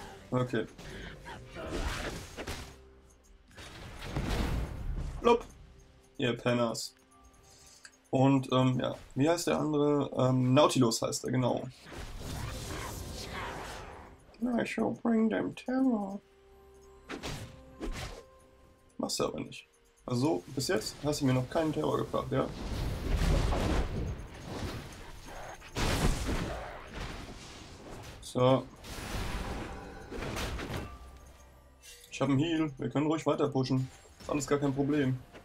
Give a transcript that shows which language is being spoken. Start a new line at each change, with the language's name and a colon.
English: Okay.
German: Lupp! Ihr Penners. Und, ja, wie heißt der andere? Nautilus heißt er, genau.
English: I shall bring them terror.
German: Machst du aber nicht. Also, bis jetzt hast du mir noch keinen Terror gebracht, ja? So. Ich habe einen Heal. Wir können ruhig weiter pushen. Ist alles gar kein Problem.